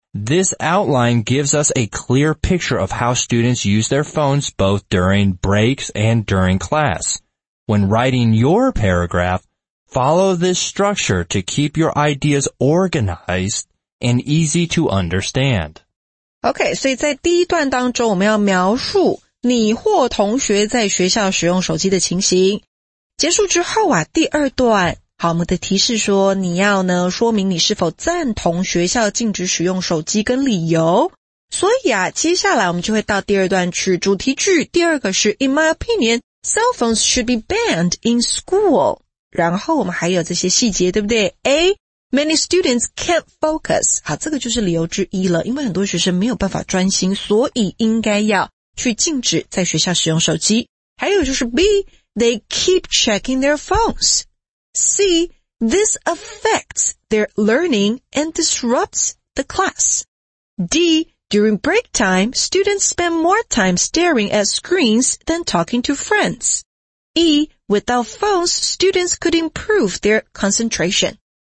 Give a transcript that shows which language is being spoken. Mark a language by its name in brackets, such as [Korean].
[English] This outline gives us a clear picture of how students use their phones both during breaks and during class. When writing your paragraph, follow this structure to keep your ideas organized and easy to understand. [Chinese] Okay, 所以在第一段当中，我们要描述你或同学在学校使用手机的情形。结束之后啊，第二段好，我们的提示说，你要呢说明你是否赞同学校禁止使用手机跟理由。所以啊，接下来我们就会到第二段去主题句。第二个是 [English] ，In my opinion, cell phones should be banned in school。 [Chinese] 然后我们还有这些细节，对不对 ？A, [English] many students can't focus。 [Chinese] 好，这个就是理由之一了，因为很多学生没有办法专心，所以应该要去禁止在学校使用手机。还有就是 [English] B, they keep checking their phones。 C, this affects their learning and disrupts the class. D, during break time, students spend more time staring at screens than talking to friends. E, without phones, students could improve their concentration.